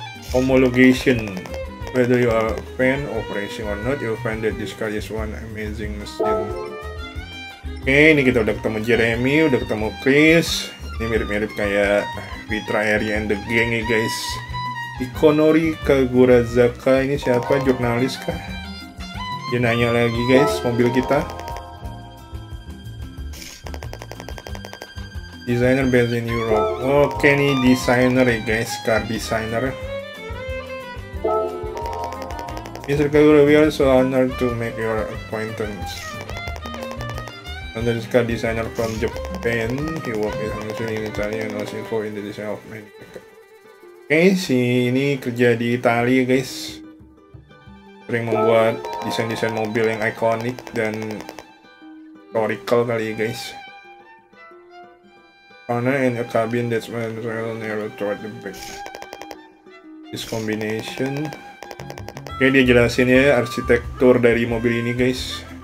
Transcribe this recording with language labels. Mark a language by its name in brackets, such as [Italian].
[English] Homologation, whether you are a fan of racing or not, you'll find that this car is one amazing machine. [Indonesian] Oke, ini kita udah ketemu Jeremy, udah ketemu Chris. Ini mirip-mirip kayak Vitra Eri and the Gang ya guys. Ikonori Kagurazaka, ini siapa? Jurnalis kah? Dia nanya lagi guys, mobil kita. [English] Designer based in Europe. [Indonesian] Oke, ini designer ya guys, [English] car designer. Mr. Kagura, we are so honored to make your acquaintance. And this car designer from Japan, he worked in Italy and Italy and was involved in the design of many. [Indonesian] Oke, si ini kerja di Italia guys. Sering membuat desain-desain mobil yang ikonik dan historical kali ya guys. [English] Corner and a cabin that's real narrow toward the back. This combination. [Indonesian] Oke, dia jelasin ya arsitektur dari mobil ini guys.